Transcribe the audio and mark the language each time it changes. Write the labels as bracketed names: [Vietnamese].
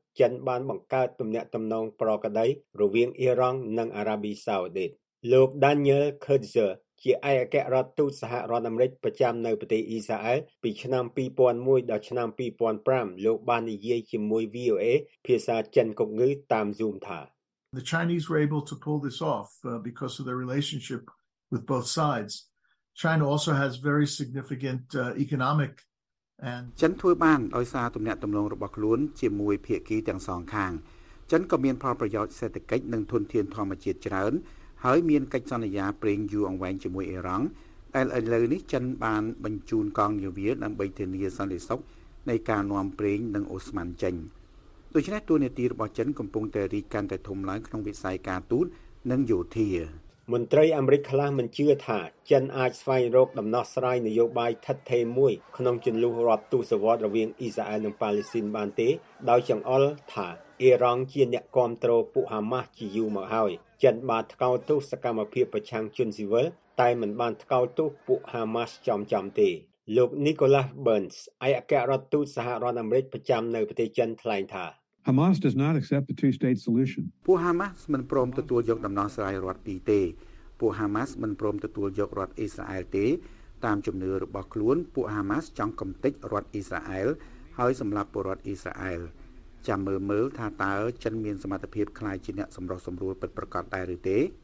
[Khmer] ចិនបានបង្កើតទំនាក់ទំនងប្រក្រតីរវាងអ៊ីរ៉ង់និងអារ៉ាប៊ីសាអូឌីតលោក Daniel Kurtzer ជាឯកអគ្គរដ្ឋទូតសហរដ្ឋអាមេរិកប្រចាំនៅប្រទេសអ៊ីសរ៉ាអែលពីឆ្នាំ2001ដល់ឆ្នាំ2005លោកបាននិយាយជាមួយ VOA ភាសាចិនកុកងឺតាម Zoom ថា [English] The Chinese were able to pull this off because of their relationship with both sides. China also has very significant economic and [Khmer] ចិនធ្វើបានដោយសារទំនាក់ទំនងរបស់ខ្លួនជាមួយភាគីទាំងសងខាងចិនក៏មានផលប្រយោជន៍សេដ្ឋកិច្ចនិងធនធានធម្មជាតិច្រើនហើយមានកិច្ចសន្យាប្រេងយូរអង្វែងជាមួយអ៊ីរ៉ង់ដែលឥឡូវនេះចិនបានបញ្ជូនកងយោធាដើម្បីធានាសន្តិសុខនៃការនាំប្រេងនិងអូស្មាន់ចិនដូច្នេះទួលនីតិរបស់ចិនកំពុងតែរីកកាន់តែធំឡើងក្នុងវិស័យការទូតនិងយោធា មន្ត្រីអាមេរិកខ្លះមិនជឿថាចិនអាចស្វែងរកដំណោះស្រាយនយោបាយថិតថេរមួយក្នុងចំណោមរដ្ឋទូតសវ័តរវាងអ៊ីសរ៉ាអែលនិងប៉ាឡេស្ទីនបានទេដោយចង្អុលថាអ៊ីរ៉ង់ជាអ្នកគាំទ្រពួកហាម៉ាស់ជាយូរមកហើយចិនបានថ្កោលទោសសកម្មភាពប្រឆាំងជនស៊ីវិលតែមិនបានថ្កោលទោសពួកហាម៉ាស់ចំចំទេលោក Nicholas Burns ឯកអគ្គរដ្ឋទូតសហរដ្ឋអាមេរិកប្រចាំនៅប្រទេសចិនថ្លែងថា [English] Hamas does not accept the two-state solution. [Khmer] ពួកហាម៉ាស់មិនព្រមទទួលយកដំណោះស្រាយរដ្ឋពីរទេពួកហាម៉ាស់មិនព្រមទទួលយករដ្ឋអ៊ីស្រាអែលទេតាមជំនឿរបស់ខ្លួនពួកហាម៉ាស់ចង់កំទេចរដ្ឋអ៊ីស្រាអែលហើយសម្លាប់ពលរដ្ឋអ៊ីស្រាអែលចាំមើលថាតើចិនមានសមត្ថភាពខ្លាយជាអ្នកសម្រុះសម្រួលពិតប្រាកដដែរឬទេ